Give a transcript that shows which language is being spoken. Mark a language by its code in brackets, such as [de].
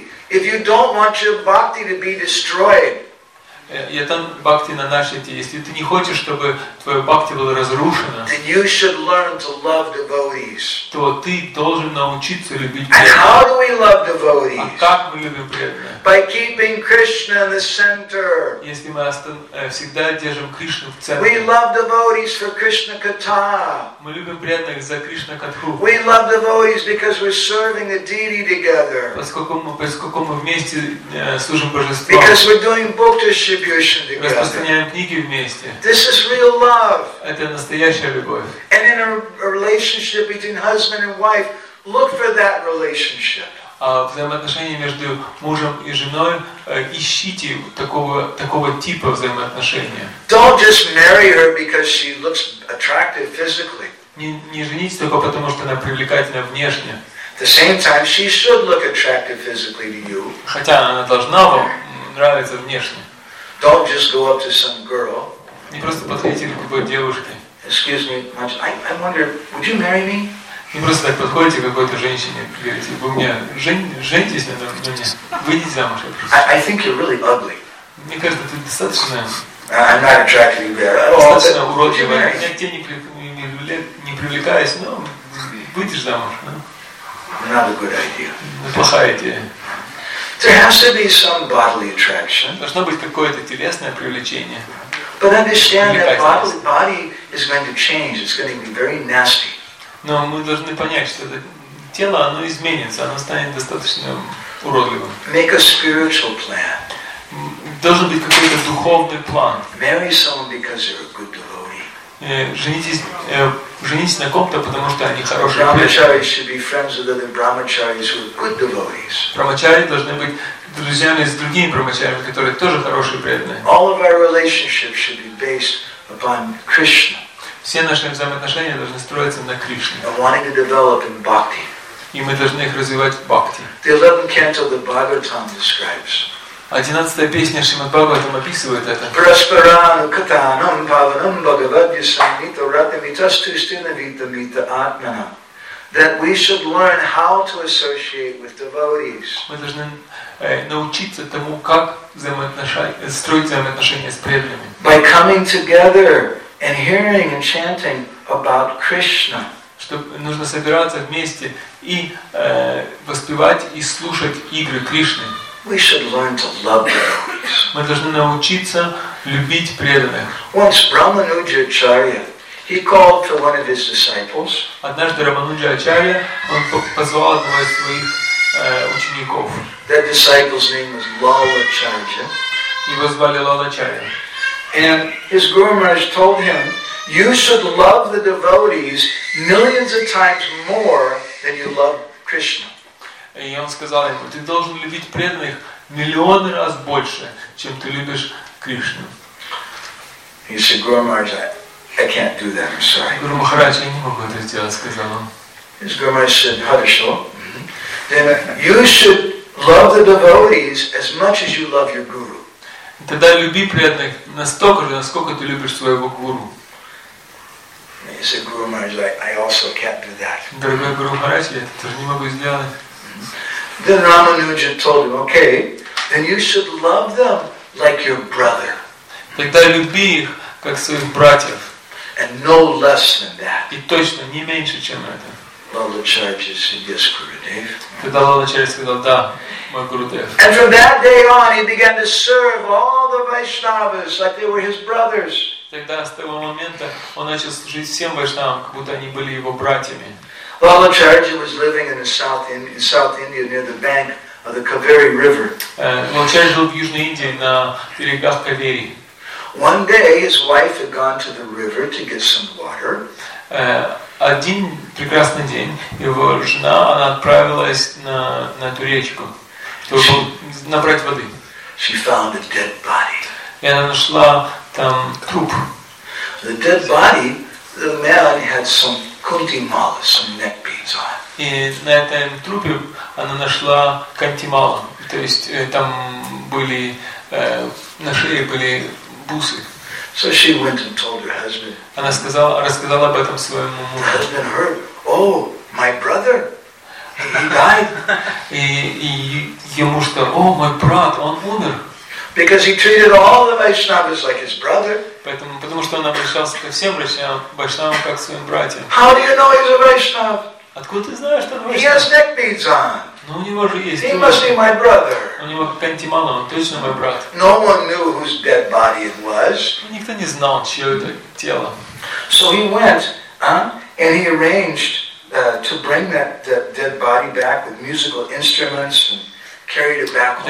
[en] If you don't want your bhakti to be destroyed. [sa] Yatam bhakti nanashyati. [ru] Если ты не хочешь, чтобы твоя бхакти была разрушена, [en] then you should learn to love devotees. [ru] То ты должен научиться любить преданных. [en] How do we love devotees? [ru] А как мы любим преданных? [en] By keeping Krishna in the center. [ru] Если мы всегда держим Кришну в центре. [en] We love devotees for Krishna Katha. [ru] Мы любим преданных за Кришна Катху. [en] We love devotees because we're serving the deity together. [ru] Поскольку мы вместе служим Божеству. [en] Because we're doing book distribution together. [ru] Распространяем книги вместе. [en] This is real love. [ru] Это настоящая любовь. [en] And in a relationship between husband and wife, look for that relationship. [ru] А взаимоотношения между мужем и женой ищите такого типа взаимоотношения. [en] Don't just marry her because she looks attractive physically. [ru] Не женитесь только потому, что она привлекательна внешне. [en] At the same time, she should look attractive physically to you. [ru] Хотя она должна вам нравиться внешне. [en] Don't just go up to some girl. [ru] Не просто подходите к какой-то девушке. [en] Excuse me, I wonder, would you marry me? [ru] Не просто так подходите к какой-то женщине, говорите, вы мне женитесь на мне, выйдите замуж. [en] I think you're really ugly. [ru] Мне кажется, ты достаточно. [en] I'm not attracted to you. [ru] Достаточно уродливая. Я тебя не привлекаюсь, но выйдешь замуж. [en] Not a good idea. [ru] Плохая идея. [en] There has to be some bodily attraction. [ru] Должно быть какое-то телесное привлечение. [en] But understand that body is going to change. It's going to be very nasty. [ru] Но мы должны понять, что это тело, оно изменится, оно станет достаточно уродливым. [en] Make a spiritual plan. [ru] Должен быть какой-то духовный план. [en] Marry someone because they're a good devotee. [ru] Женитесь на ком-то, потому что они хорошие. [en] Brahmachari should be friends with other brahmacharis who are good devotees. [ru] Брахмачари должны быть друзьями с другими брахмачарями, которые тоже хорошие преданные. [en] All of our relationships should be based upon Krishna. [ru] Все наши взаимоотношения должны строиться на Кришне. [en] And wanting to develop in bhakti. [ru] И мы должны их развивать в бхакти. [en] The 11th canto of the Bhagavatam describes. [ru] 11-я песня Шримад Бхагаватам описывает это. [sa] Прасперану катанам паванам бхагавадьясамита ратамитастустинавитамита атмана. [en] That we should learn how to associate with devotees. [ru] Мы должны научиться тому, как строить взаимоотношения с преданными. [en] By coming together and hearing and chanting about Krishna. [ru] Нужно собираться вместе и воспевать и слушать игры Кришны. [en] We should learn to love devotees. [ru] Мы должны научиться любить преданных. [en] Once Brahmanuja Acharya, he called for one of his disciples. [ru] Однажды Рамануджа Ачарья, он позвал одного из своих учеников. [en] That disciple's name was Lala Charya. [ru] Его звали Лала Чарья. [en] And his Guru Maharaj told him, you should love the devotees millions of times more than you love Krishna. [ru] И он сказал ему, ты должен любить преданных миллион раз больше, чем ты любишь Кришну. [en] He said, Guru Maharaj, I can't do that, I'm sorry. [ru] Guru Maharaj, я не могу это сделать, сказал он. [en] His Guru Maharaj said, [ru] хорошо. [en] Then you should Love the devotees as much as you love your guru. [ru] Тогда люби преданных настолько же, насколько ты любишь своего гуру. Другой гуру Махарадж, я это тоже не могу сделать. [en] Then Рамануджа told him, okay, then you should love them like your brother. [ru] Тогда люби их как своих братьев. [en] And no less than that. [ru] И точно не меньше, чем это. [en] Lalacharya said, yes, Gurudev. My Gurudev. And from that day on, he began to serve all the Vaishnavas like they were his brothers. [ru] Тогда с того момента он начал служить всем Вайшнавам, как будто они были его братьями. [en] Lalacharya was living in South India near the bank of the Kaveri River. [ru] Lalacharya жил в Южной Индии на берегах Кавери. [en] One day, his wife had gone to the river to get some water. [ru] Один прекрасный день его жена, она отправилась на эту речку, чтобы набрать воды. [en] She found a dead body. [ru] И она нашла там труп. [en] The dead body, the man had some kunti mala, some neck beads on. [ru] И на этом трупе она нашла kunti mala, то есть там были на шее были бусы. [en] So she went and told her husband. [ru] Она рассказала об этом своему мужу. [en] The husband heard, "Oh, my brother, he died." [ru] И ему что, "О, мой брат, он умер." [en] Because he treated all the Vaishnavas like his brother. [ru] Потому что он обращался ко всем Вайшнавам как к своим братьям. [en] How do you know he's a Vaishnav? [ru] Откуда ты знаешь, что он [en] Вайшнав? He has neck beads on. [ru] Но у него же есть. [en] He must be my brother. [ru] У него kunti mala, он точно мой брат. [en] No one knew whose dead body it was. [ru] Никто не знал, чье это тело. [en] So he went, and he arranged to bring that dead body back with musical instruments and carried it back home.